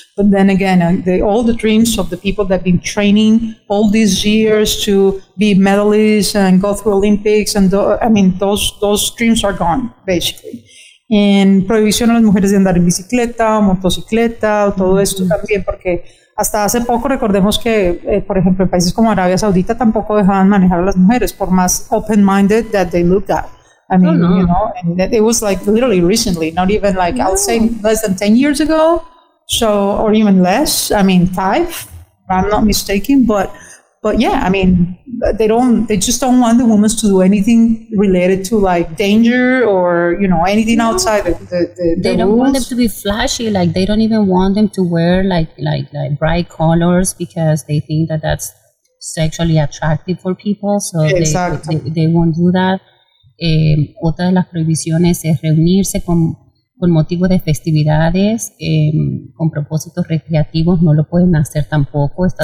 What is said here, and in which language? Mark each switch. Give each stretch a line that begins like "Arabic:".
English: But then again, all the dreams of the people that have been training all these years to be medalists and go through Olympics, and those dreams are gone, basically.
Spanish: En prohibición a las mujeres de andar en bicicleta, motocicleta, mm-hmm. todo esto también, porque hasta hace poco recordemos que, por ejemplo, en países como Arabia Saudita tampoco dejaban manejar a las mujeres, por más
English: open-minded that they looked at. I mean, oh, no. you know, and it was like literally recently, not even like, no. I'll say less than 10 years ago, so, or even less, I mean, 5, if I'm not mistaken, but yeah, I mean, they just don't want the women to do anything related to like danger or, you know, anything no. outside the rules. They don't want them to be flashy, like they don't even want them to wear like bright colors because they think that that's sexually attractive for people, so exactly. they won't do that.
Spanish: Otra de las prohibiciones es reunirse con motivo de festividades, con propósitos recreativos, no lo pueden hacer tampoco, está